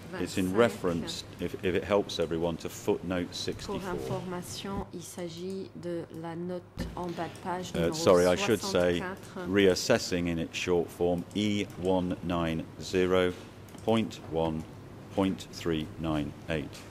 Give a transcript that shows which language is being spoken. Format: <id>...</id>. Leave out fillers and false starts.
<en>It's in reference, if it helps everyone, to footnote 64.</en> <fr>Pour information, il s'agit de la note en bas de page.</fr> <en>Sorry, I should say, reassessing in its short form, E190.1.398.</en>